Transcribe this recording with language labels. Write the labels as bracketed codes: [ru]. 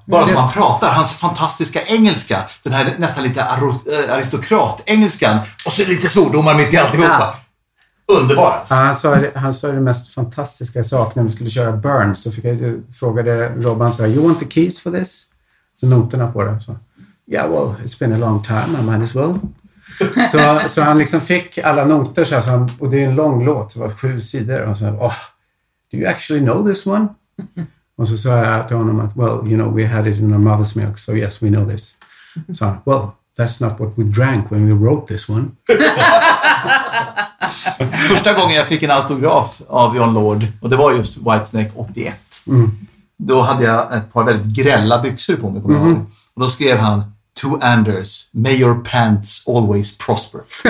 [sv] Bara som han pratar, hans fantastiska engelska, den här nästan lite aristokrat-engelskan, och så är det lite svordomar mitt i alltihopa. Ja. Underbart. Ja, han sa det mest fantastiska sak när vi skulle köra Burn, så fick jag, frågade Robban, så här, [en] you want the keys for this? [sv] Så noterna på det. Så, [en] yeah, well, it's been a long time, I might as well. [sv] Så han liksom fick alla noter, så här, och det är en lång låt, det var 7 sidor, och så här, [en] oh, do you actually know this one? [sv] Och så sa jag till honom att, [en] well, you know, we had it in our mother's milk, so yes, we know this. [sv] Så han, [en] well, that's not what we drank when we wrote this one. [sv] Första gången jag fick en autograf av John Lord, och det var just Whitesnake 81. Mm. Då hade jag ett par väldigt grälla byxor på mig, kommer jag ihåg. Och då skrev han, [en] to Anders, may your pants always prosper.